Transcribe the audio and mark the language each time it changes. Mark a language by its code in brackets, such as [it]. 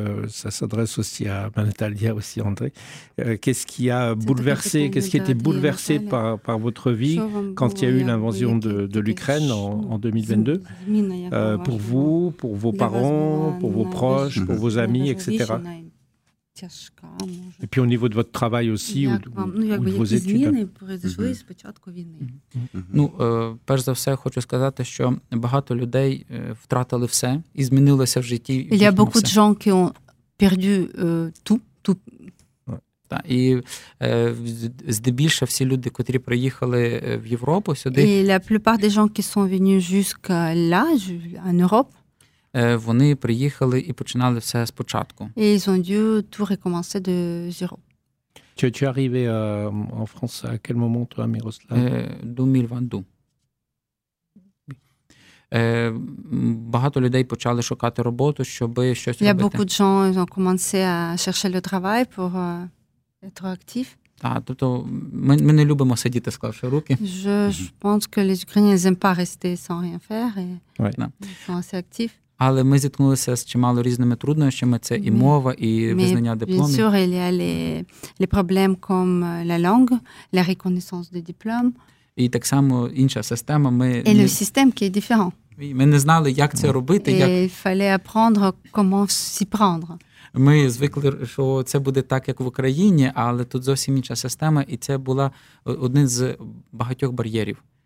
[fr] ça s'adresse aussi à Natalia, aussi André. Qu'est-ce qui a bouleversé, qu'est-ce qui a été bouleversé par votre vie quand il y a eu l'invasion de l'Ukraine en 2022 pour vous, pour vos parents, pour vos proches, pour vos amis, etc. Тяжка. І пі у ніву два травай осі. [uk] Ну, якби які зміни перейшли з початку війни. Ну, перш за все, хочу сказати, що багато людей втратили все і змінилося в житті. [fr] Il y a beaucoup de gens qui ont perdu tout. [uk] Так, і здебільше всі люди, котрі приїхали в Європу сюди. [fr] І la plupart des gens qui sont venus jusqu'à là, en Europe. [uk] Вони приїхали і починали все спочатку. [fr] Et ils ont dû tout recommencer de zéro. Tu es arrivé en France à quel moment toi, Miroslav? 2022. [uk] Багато людей почали шукати роботу, щоб щось робити. [fr] Il y a beaucoup de gens ont commencé à chercher le travail pour être actif. [uk] Так, тобто ми не любимо сидіти, склавши руки. [fr] Je pense que les Ukrainiens n'aiment pas rester sans rien faire et ils sont assez actifs. [uk] Але ми зіткнулися з чимало різними труднощами, це і мова, і визнання дипломів. [fr] Mais bien sûr, il y a les problèmes comme la langue, la reconnaissance de diplôme. [uk] І так само інша система, [fr] Et le système qui est différent. [uk] Ми не знали, як це робити, [fr] Et il fallait apprendre comment s'y prendre. [uk] Ми звикли, що це буде так, як в Україні, але тут зовсім інша система, і це була один з багатьох бар'єрів.